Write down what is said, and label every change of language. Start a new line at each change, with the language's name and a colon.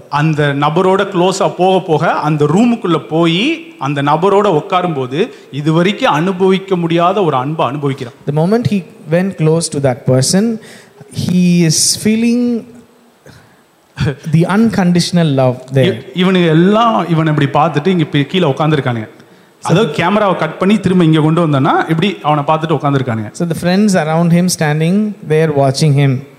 Tamil: அந்த நபரோட க்ளோஸா போக போக அந்த ரூமுக்குள்ள போய் அந்த நபரோட உட்காரும் போது இதுவரைக்கும் அனுபவிக்க முடியாத ஒரு அன்பு அனுபவிக்கிறான்.
English: The moment he went close to that person, he is feeling the unconditional love there.
Tamil: இவன் எல்லாம் இவன் இப்படி பார்த்துட்டு இங்க கீழே உட்கார்ந்திருக்கானுங்க. அதோ கேமராவை கட் பண்ணி திரும்ப இங்க கொண்டு வந்தனா இப்படி அவனை பார்த்துட்டு உட்கார்ந்திருக்கானுங்க.
English: So the friends around him standing there watching him.